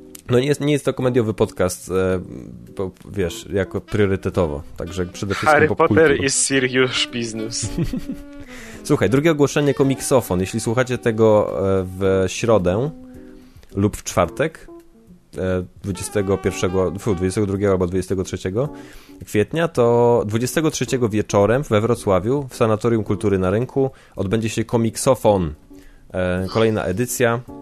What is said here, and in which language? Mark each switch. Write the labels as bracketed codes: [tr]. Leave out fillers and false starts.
[pl] No nie jest to komediowy podcast, bo wiesz, jako priorytetowo. Także przede wszystkim [en] Harry Potter is serious business. [pl] Słuchaj, drugie ogłoszenie, komiksofon. Jeśli słuchacie tego w środę lub w czwartek, 22 albo 23 kwietnia, to 23 wieczorem we Wrocławiu, w Sanatorium Kultury na Rynku, odbędzie się komiksofon. Kolejna edycja.